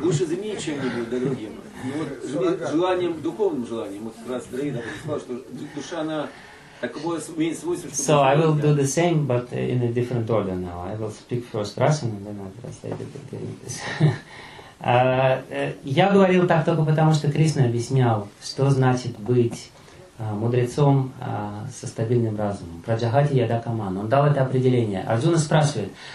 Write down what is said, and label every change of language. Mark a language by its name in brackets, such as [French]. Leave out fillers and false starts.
[Russian] Лучше заменить чем-нибудь другим. Ну, вот, желанием, духовным желанием, вот как раз Дрейд сказал, что душа, она таковое имеет свойство, что... [English] So I will do the same, but in a different order now. I will speak first Russian, and then I'll translate it into English. [Russian] Я говорил так только потому, что Кришна объяснял, что значит быть мудрецом со стабильным разумом. Праджагати Ядакаман. Он дал это определение. Арджуна спрашивает...